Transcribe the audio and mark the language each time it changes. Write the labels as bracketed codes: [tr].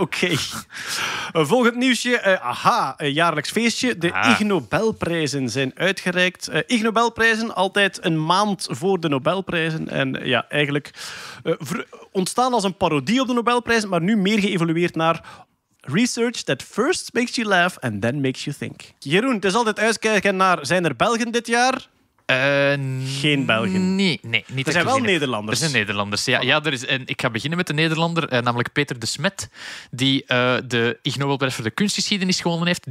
[nl] Oké. Volgend nieuwsje. Een jaarlijks feestje. De Ig Nobelprijzen zijn uitgereikt. Ig Nobelprijzen, altijd een maand voor de Nobelprijzen. En eigenlijk ontstaan als een parodie op de Nobelprijzen, maar nu meer geëvolueerd naar... [en] Research that first makes you laugh and then makes you think. [nl] Jeroen, het is altijd uitkijken naar... Zijn er Belgen dit jaar? Geen Belgen. Nee, niet. Er zijn wel Nederlanders. Er zijn Nederlanders, ja. Oh. Ja, er is, en ik ga beginnen met een Nederlander, namelijk Peter de Smet, die de Ig Nobelprijs voor de kunstgeschiedenis gewonnen heeft.